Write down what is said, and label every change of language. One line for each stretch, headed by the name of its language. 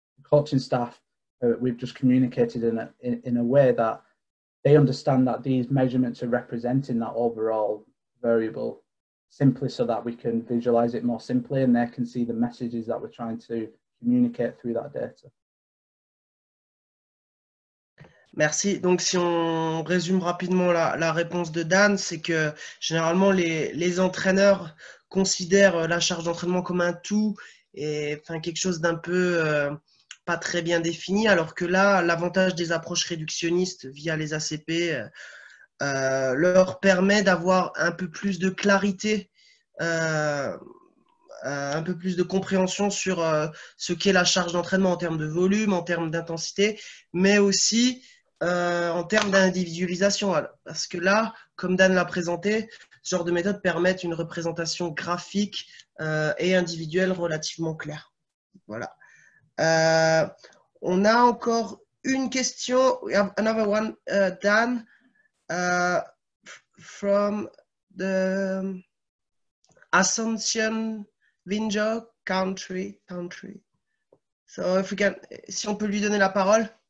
English: The coaching staff, we've just communicated in a way that they understand that these measurements are representing that overall variable simply so that we can visualize it more simply and they can see the messages that we're trying to communicate through that data.
French: Merci. Donc, si on résume rapidement la réponse de Dan, c'est que généralement, les entraîneurs considèrent la charge d'entraînement comme un tout et enfin, quelque chose d'un peu pas très bien définie, alors que là, l'avantage des approches réductionnistes via les ACP leur permet d'avoir un peu plus de clarité, un peu plus de compréhension sur ce qu'est la charge d'entraînement en termes de volume, en termes d'intensité, mais aussi en termes d'individualisation. Parce que là, comme Dan l'a présenté, ce genre de méthode permet une représentation graphique et individuelle relativement claire. Voilà. On a encore une question.
English: We have another one, Dan, from the Asuncion Vinjo country. So if we can,
French: si on peut lui donner la parole.